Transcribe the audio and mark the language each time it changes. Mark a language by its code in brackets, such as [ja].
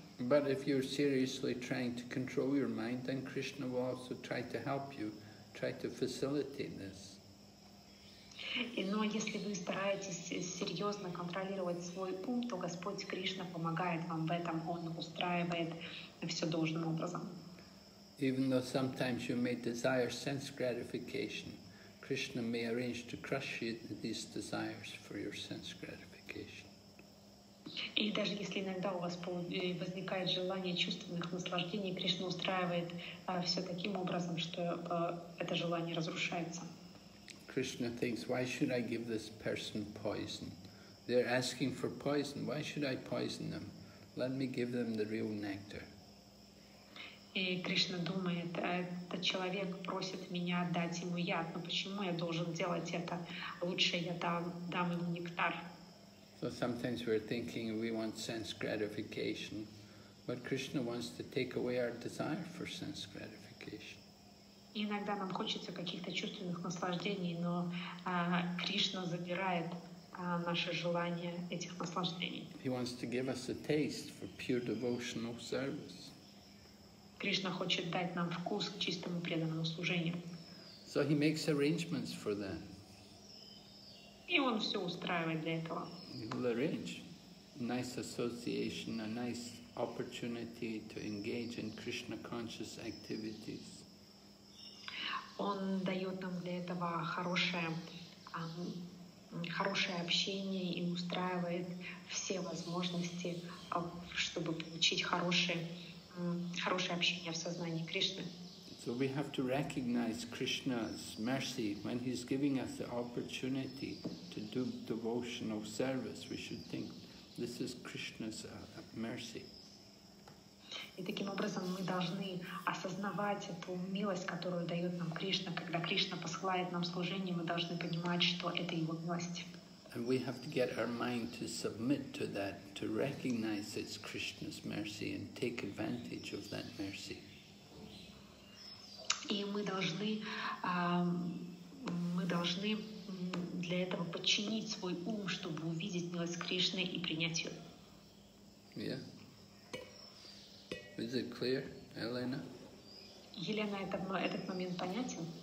[en] But if you're seriously trying to control your mind, then Krishna will also try to help you, try to facilitate this. [ru] Но если вы стараетесь серьезно контролировать свой ум, то Господь Кришна помогает вам в этом, Он устраивает все должным образом. [en] Even though sometimes you may desire sense gratification, Krishna may arrange to crush these desires for your sense gratification. [ru] И даже если иногда у вас возникает желание чувственных наслаждений, Кришна устраивает все таким образом, что это желание разрушается. [en] Krishna thinks, why should I give this person poison? They're asking for poison. Why should I poison them? Let me give them the real nectar. [ru] И Кришна думает, этот человек просит меня дать ему яд, но почему я должен делать это? Лучше я дам ему нектар. [en] So sometimes we're thinking we want sense gratification, but Krishna wants to take away our desire for sense gratification. [ru] Иногда нам хочется каких-то чувственных наслаждений, но Кришна забирает наше желание этих наслаждений. [en] He wants to give us a taste for pure devotional service. [ru] Кришна хочет дать нам вкус к чистому преданному служению. [en] So he makes arrangements for that. [ru] И он все устраивает для этого. [en] He will arrange nice association, a nice opportunity to engage in Krishna conscious activities. [ru] Он дает нам для этого хорошее общение и устраивает все возможности, чтобы получить хорошее общение в сознании Кришны. [en] So we have to recognize Krishna's mercy when he's giving us the opportunity to do devotional service. We should think this is Krishna's mercy. [ru] И таким образом мы должны осознавать эту милость, которую дает нам Кришна. Когда Кришна посылает нам служение, мы должны понимать, что это Его милость. [en] And we have to get our mind to submit to that, to recognize it's Krishna's mercy and take advantage of that mercy. [ru] И мы должны для этого подчинить свой ум, чтобы увидеть милость Кришны и принять ее. [en] Yeah. Is it clear, Elena? [ru] Елена, этот момент понятен?